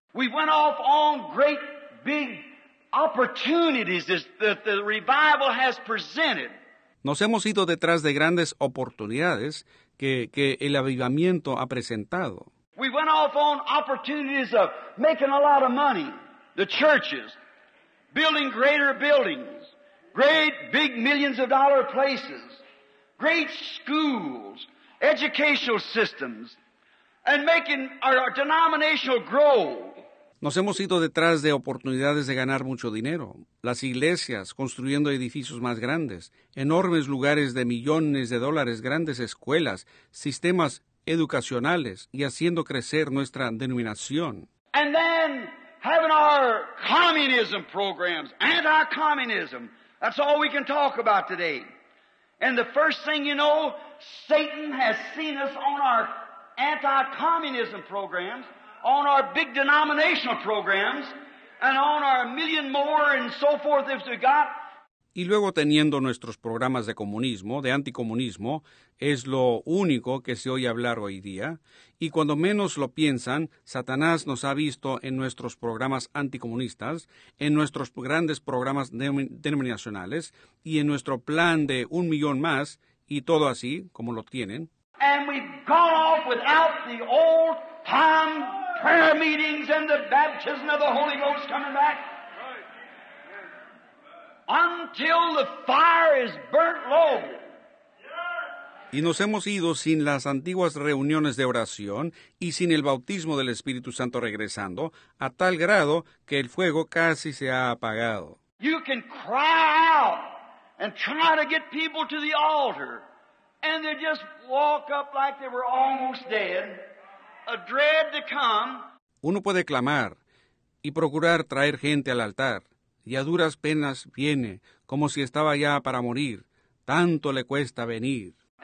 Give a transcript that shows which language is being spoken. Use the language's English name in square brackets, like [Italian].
[English] We went off on great big opportunities that the revival has presented. [Spanish] Nos hemos ido detrás de grandes oportunidades que el avivamiento ha presentado. [English] We went off on opportunities of making a lot of money, the churches, building greater buildings, great big millions of dollar places, great schools, educational systems, and making our denominational grow. [Spanish] Nos hemos ido detrás de oportunidades de ganar mucho dinero. Las iglesias construyendo edificios más grandes, enormes lugares de millones de dólares, grandes escuelas, sistemas educacionales y haciendo crecer nuestra denominación. [English] And then having our communism programs, anti-communism, that's all we can talk about today. And the first thing you know, Satan has seen us on our anti-communism programs, on our big denominational programs, and on our million more and so forth if we got. [Spanish] Y luego teniendo nuestros programas de comunismo, de anticomunismo, es lo único que se oye hablar hoy día. Y cuando menos lo piensan, Satanás nos ha visto en nuestros programas anticomunistas, en nuestros grandes programas denominacionales, y en nuestro plan de un millón más, y todo así, como lo tienen. [English] And we've gone off without the old time prayer meetings and the baptism of the Holy Ghost coming back. Until the fire is burnt low. [Spanish] Y nos hemos ido sin las antiguas reuniones de oración y sin el bautismo del Espíritu Santo regresando, a tal grado que el fuego casi se ha apagado. [English] You can cry out and try to get people to the altar, and they just walk up like they were almost dead, a dread to come. [Spanish] Uno puede clamar y procurar traer gente al altar. Y a duras penas viene, como si estaba ya para morir. Tanto le cuesta venir.